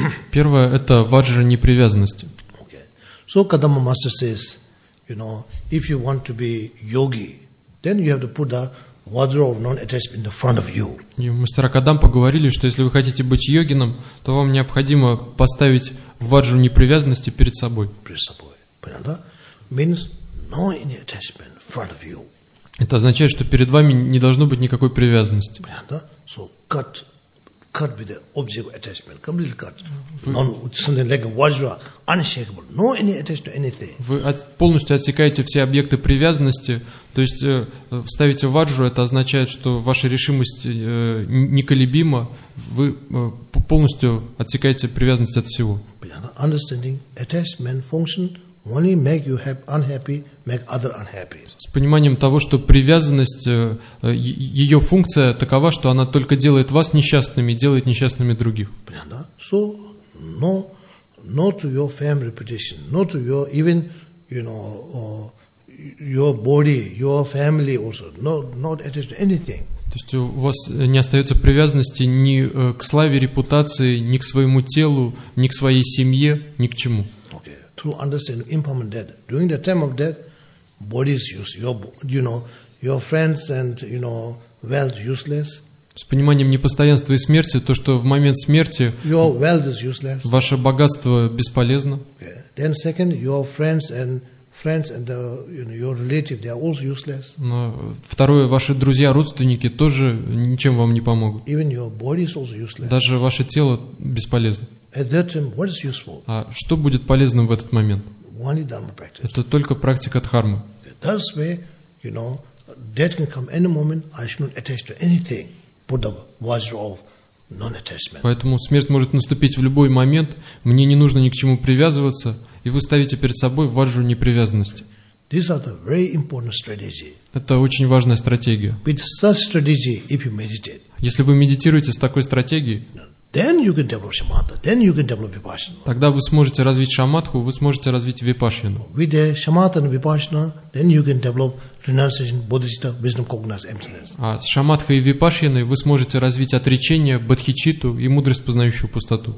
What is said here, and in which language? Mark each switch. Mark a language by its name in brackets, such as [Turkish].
[Russian] Первое это ваджра непривязанности. [English] Okay. So Kadama Master says, you know, if you want to be yogi, then you have to put the wardrobe of non-attachment in the front of you. [Russian] И мастера Кадампа говорили, что если вы хотите быть йогином, то вам необходимо поставить ваджру непривязанности перед собой. Перед собой. Понятно? [English] Means no attachment in front of you. [Russian] Это означает, что перед вами не должно быть никакой привязанности. Понятно? [English] So cut with the object of attachment, completely cut. Non, something like a vajra, unshakable, no any attachment to anything. [Russian] Вы полностью отсекаете все объекты привязанности, то есть ставите ваджру, это означает, что ваша решимость неколебима, вы полностью отсекаете привязанность от всего. Понятно? [English] Understanding attachment function only make you unhappy, make other unhappy. [Russian] С пониманием того, что привязанность, ее функция такова, что она только делает вас несчастными, делает несчастными других. Понятно? [English] So, no, not your fame reputation, not your even, you know, your body, your family also, not attached to anything. [Russian] То есть у вас не остается привязанности ни к славе, репутации, ни к своему телу, ни к своей семье, ни к чему. [English] Through understanding impermanent death, during the time of death, body's use, your friends and you know wealth useless. [Russian] С пониманием непостоянства и смерти, то что в момент смерти [English] your wealth is useless. [Russian] Ваше богатство бесполезно. [English] Yeah. Then second, your friends and the, you know, your relatives, they are also useless. [Russian] Но второе, ваши друзья, родственники тоже ничем вам не помогут. [English] Even your body is also useless. [Russian] Даже ваше тело бесполезно. [English] At that time, what is useful? [Russian] А что будет полезным в этот момент? [English] Only dharma practice. [Russian] Это только практика дхармы. [English] That's where, you know, death can come any moment. I should not attach to anything. Put the vajra of non-attachment. [Russian] Поэтому смерть может наступить в любой момент. Мне не нужно ни к чему привязываться. И вы ставите перед собой ваджру непривязанности. [English] These are the very important strategies. [Russian] Это очень важная стратегия. [English] With such strategy, if you meditate. [Russian] Если вы медитируете с такой стратегией. [English] Then you can develop shamatha. Then you can develop vipassana. [Russian] Тогда вы сможете развить шамадху, вы сможете развить випашьяну. [English] With the shamatha and vipassana, then you can develop renunciation, bodhicitta, wisdom, cognizance, emptiness. [Russian] А с шамадхой и випашьяной вы сможете развить отречение, бодхичитту и мудрость, познающую пустоту.